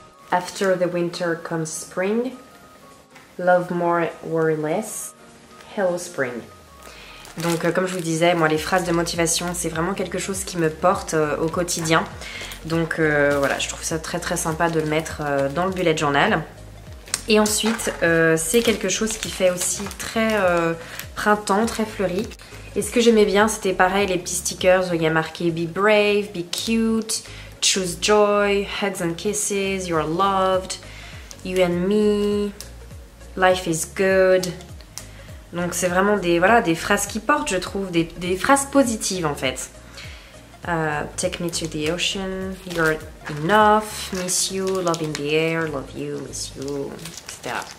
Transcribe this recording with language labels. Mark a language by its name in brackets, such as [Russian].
[English] After the winter comes spring. Love more, worry less. Hello spring. [French] Donc comme je vous disais, moi les phrases de motivation, c'est vraiment quelque chose qui me porte au quotidien. Donc voilà, je trouve ça très très sympa de le mettre dans le bullet journal. Et ensuite, c'est quelque chose qui fait aussi très printemps, très fleuri. Et ce que j'aimais bien, c'était pareil, les petits stickers où il y a marqué « [English] Be brave, be cute, choose joy, hugs and kisses, you are loved, you and me, life is good ». [French] Donc c'est vraiment des phrases qui portent, je trouve, des phrases positives en fait. [English] Take me to the ocean, you're enough, miss you, love in the air, love you, miss you, etc.